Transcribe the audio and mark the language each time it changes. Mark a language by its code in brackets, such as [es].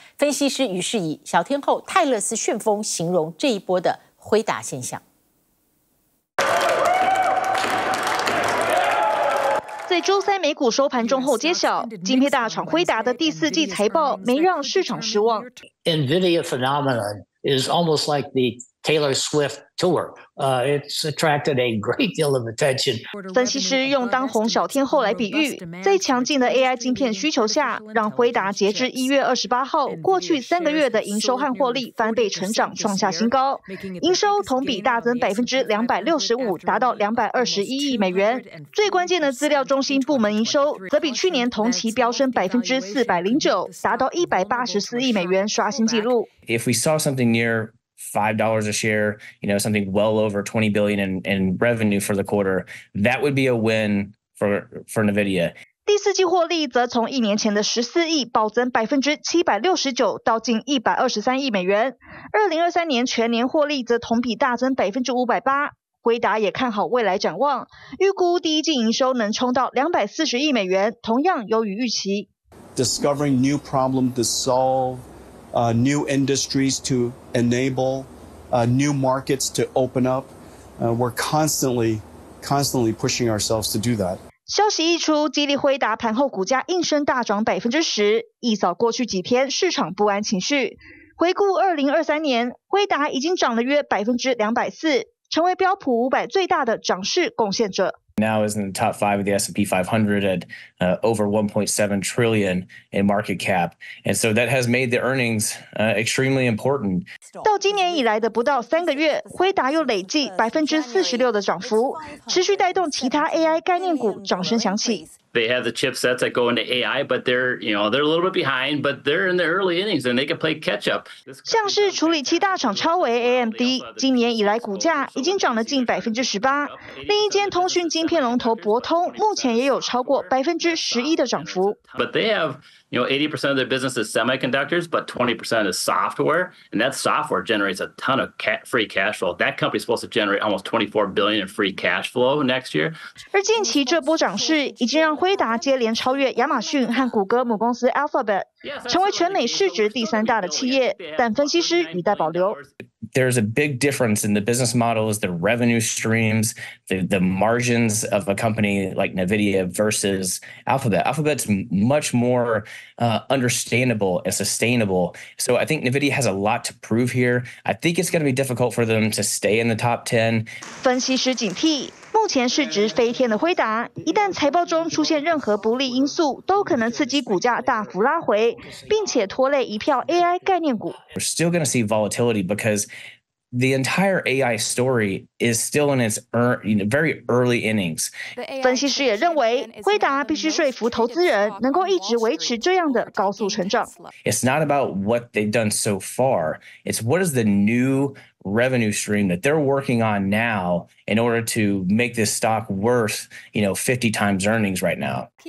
[zh] 分析师于是以小天后泰勒斯旋风形容这一波的辉达现象。在周三美股收盘中后揭晓，晶片大厂辉达的第四季财报没让市场失望。 [en] NVIDIA phenomenon is almost like the Taylor Swift tour. It's attracted a great deal of attention. [zh] 分析师用当红小天后来比喻，在强劲的 AI 晶片需求下，让辉达截至1月28号，过去三个月的营收和获利翻倍成长，创下新高。营收同比大增265%，达到221亿美元。最关键的资料中心部门营收则比去年同期飙升409%，达到184亿美元，刷新纪录。 [en] If we saw something near $5 a share, you know, something well over $20 billion in revenue for the quarter, that would be a win for NVIDIA. [zh] 第四季获利则从一年前的14亿暴增769%到近123亿美元。 2023年全年获利则同比大增508%。辉达也看好未来展望，预估第一季营收能冲到240亿美元，同样优于预期。 [en] Discovering new problems to solve. New industries to enable, new markets to open up. We're constantly pushing ourselves to do that. [zh] 消息一出，激励辉达盘后股价应声大涨10%，一扫过去几天市场不安情绪。回顾2023年，辉达已经涨了约240%，成为标普500最大的涨势贡献者。 [en] Now is in the top five of the S&P 500 at over $1.7 trillion in market cap. And so that has made the earnings extremely important. [zh] 到今年以来的不到三个月，辉达又累计46%的涨幅，持续带动其他 AI 概念股掌声响起。 [en] They have the chipsets that go into AI, but they're a little bit behind, but they're in the early innings and they can play catch up. [zh] 像是处理器大厂超微 AMD, 今年以来股价已经涨了近18%。另一间通讯晶片龙头博通目前也有超过11%的涨幅。 [en] But they have, 80% of their business is semiconductors, but 20% is software. And that software generates a ton of free cash flow. That company is supposed to generate almost $24 billion in free cash flow next year. [zh] 而近期这波涨势已经让辉达接连超越亚马逊和谷歌母公司 Alphabet, 成为全美市值第三大的企业，但分析师语带保留。 [en] There's a big difference in the business models, the revenue streams, the margins of a company like NVIDIA versus Alphabet. Alphabet's much more understandable and sustainable. So I think NVIDIA has a lot to prove here. I think it's going to be difficult for them to stay in the top 10. [zh] 分析师警惕，目前市值飞天的辉达，一旦财报中出现任何不利因素，都可能刺激股价大幅拉回，并且拖累一票 AI 概念股。 [en] We're still going to see volatility because the entire AI story is still in its very early innings. [zh] 分析师也认为，辉达必须说服投资人能够一直维持这样的高速成长。 [en] It's not about what they've done so far. It's what is the new revenue stream that they're working on now in order to make this stock worth, you know, 50 times earnings right now.